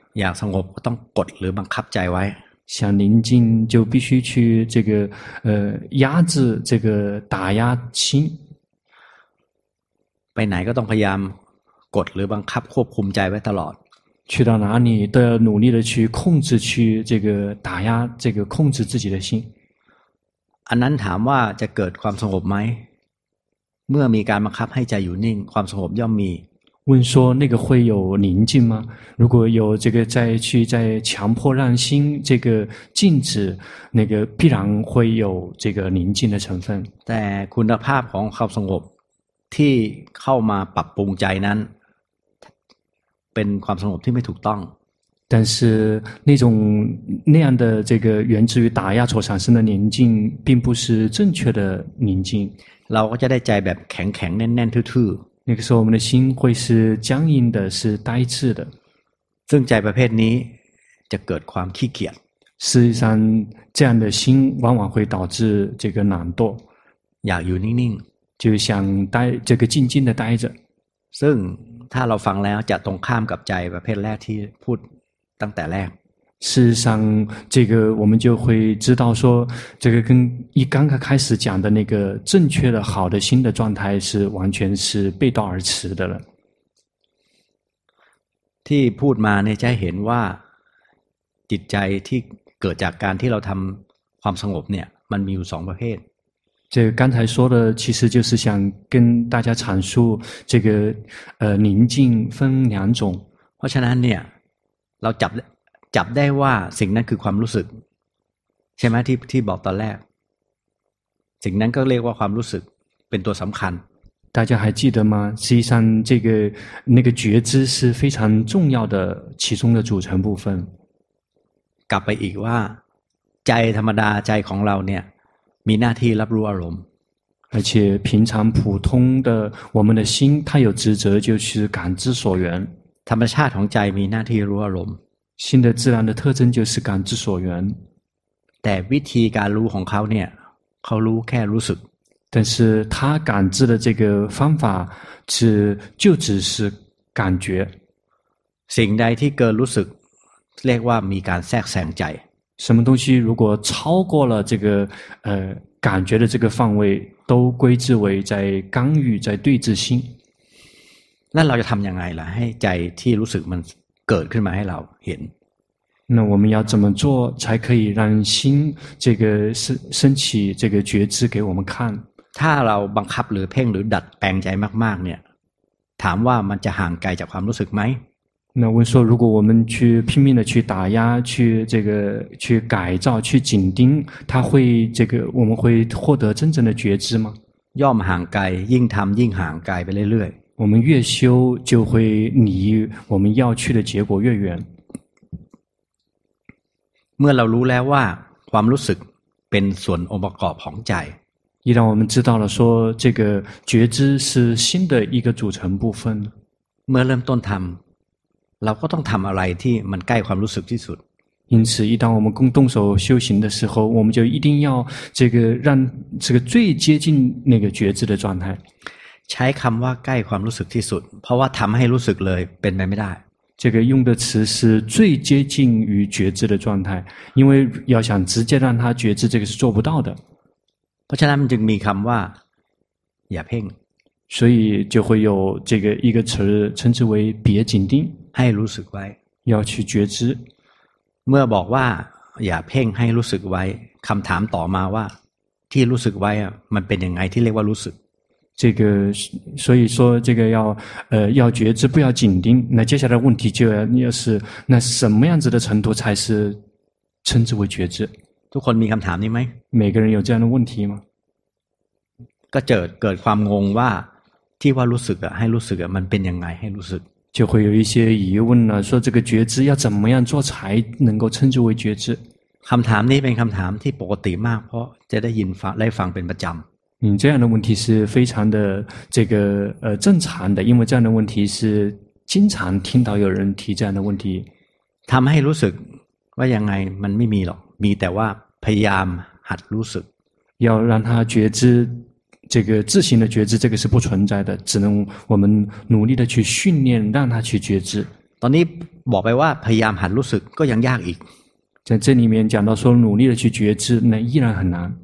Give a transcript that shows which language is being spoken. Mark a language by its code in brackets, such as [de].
[th] อยากสงบต้องกดหรือบังคับใจไว้ [zh] 想宁静就必须去这个压制这个打压心 [th] ไปไหนก็ต้องพยายามกดหรือบังคับควบคุมใจไว้ตลอด [zh] 去到哪里都要努力的去控制去这个打压这个控制自己的心 [th] อันนั้นถามว่าจะเกิดความสงบไหมเมื่อมีการบังคับให้ใจอยู่นิ่งความสงบย่อมมี [zh] 问说那个会有宁静吗如果有这个再去再强迫让心这个静止那个必然会有这个宁静的成分 [th] แต่คุณภาพของความสงบที่เข้ามาปรับปรุงใจนั้นเป็นความสงบที่ไม่ถูกต้อง [zh] 但是那种那样的这个源自于打压所产生的宁静并不是正确的宁静 [th] เราก็จะได้ใจแบบแข็งแข็งแน่นแน่นทื่อ [zh] ๆ那个时候我们的心会是僵硬的是呆滞的 [th] ซึ่งใจประเภทนี้จะเกิดความขี้เกียจ [zh] 事实上这样的心往往会导致这个懒惰 [th] อยากอยู่นิ่ง [zh] ๆ就想呆这个静静的呆着 [th] ซึ่งถ้าเราฟังแล้วจะตรงข้ามกับใจประเภทแรกที่พูดตั้งแต่แรก [zh] 事实上这个我们就会知道说这个跟一刚刚开始讲的那个正确的好的心的状态是完全是背道而驰的了 [th] ที่พูดมาเนี่ยจะเห็นว่าจิตใจที่เกิดจากการที่เราทำความสงบเนี่ยมันมีอยู่สองประเภท [zh] 这刚才说的其实就是想跟大家阐述这个宁静分两种 [th] เพราะฉะนั้นเนี่ยเราจับได้ว่าสิ่งนั้นคือความรู้สึกใช่ไหมที่บอกตอนแรกสิ่งนั้นก็เรียกว่าความรู้สึกเป็นตัวสำคัญ [zh] 大家还记得吗实际上这个那个觉知是非常重要的其中的组成部分 [th] กลับไปอีกว่าใจธรรมดาใจของเราเนี่ยมีหน้าที่รับรู้อารมณ์ [zh] 而且平常普通的我们的心它有职责就是感知所缘 [th] ธรรมชาติของใจมีหน้าที่รู้อารมณ์ [zh] 心的自然的特征就是感知所缘 [th] แต่วิธีการรู้ของเขาเนี่ยเขารู้แค่รู้สึก [zh] 但是他感知的这个方法就只是感觉 [th] สิ่งใดที่เกินรู้สึกเรียกว่ามีการแทรกแซงใจ [zh] 什么东西如果超过了这个感觉的这个范围都归之为在干预在对治心 [th] 那เราจะทำยังไงล่ะให้ใจที่รู้สึกมันเกิดขึ้นมาให้เราเห็น [zh] 那我们要怎么做才可以让心这个升起这个觉知给我们看 [th] ถ้าเราบังคับหรือเพ่งหรือดัดแปลงใจมากๆเนี่ยถามว่ามันจะห่างไกลจากความรู้สึกไหม [zh] 那我说如果我们去拼命的去打压去这个去改造去紧盯它会这个我们会获得真正的觉知吗 [th] ย่อมห่างไกลยิ่งทำยิ่งห่างไกลไปเรื่อยๆ [zh] 我们越修就会离我们要去的结果越远 [th] เมื่อเรารู้แล้วว่าความรู้สึกเป็นส่วนองค์ประกอบของใจ [zh] 一旦我们知道了说这个觉知是心的一个组成部分 [th] เมื่อเริ่มต้นทำเราก็ต้องทำอะไรที่มันใกล้ความรู้สึกที่สุด [zh] 因此一旦我们共动手修行的时候我们就一定要这个让这个最接近那个觉知的状态 [th] ใช้คำว่าใกล้ความรู้สึกที่สุดเพราะว่าทำให้รู้สึกเลยเป็นไปไม่ได้ [zh] 这个用的词是最接近于觉知的状态因为要想直接让他觉知这个是做不到的 [th] เพราะฉะนั้นจึงมีคำว่าอย่าเพ่ง [zh] 所以就会有这个一个词称之为别紧盯 [th] ให้รู้สึกไว้ [zh] 要去觉知 [th] เมื่อบอกว่าอย่าเพ่งให้รู้สึกไว้คำถามต่อมาว่าที่รู้สึกไว้มันเป็นยังไงที่เรียกว่ารู้สึก [zh] 这个所以说这个要觉知不要紧盯那接下来问题就要是那什么样子的程度才是称之为觉知 [th] ทุกคนมีคำถามนี้ไหม [zh] 每个人有这样的问题吗 [th] ก็เกิดความงงว่าที่ว่ารู้สึกให้รู้สึกมันเป็นยังไงให้รู้สึก [zh] 就会有一些疑问了说这个觉知要怎么样做才能够称之为觉知 [th] คำถามนี้เป็นคำถามที่ปกติมากเพราะจะได้ยินฟังได้ฟังเป็นประจำ [zh] 这样的问题是非常的这个正常的因为这样的问题是经常听到有人提这样的问题 [th] ทำให้รู้สึก ว่ายังไงมันไม่มีหรอกมีแต่ว่าพยายามหัดรู้สึก [zh] 要让他觉知这个自行的觉知这个是不存在的只能我们努力的去训练让他去觉知 [th] ตอนนี้บอกไปว่าพยายามหัดรู้สึกก็ยังยากอีก [zh] 在这里面讲到说努力的去觉知那依然很难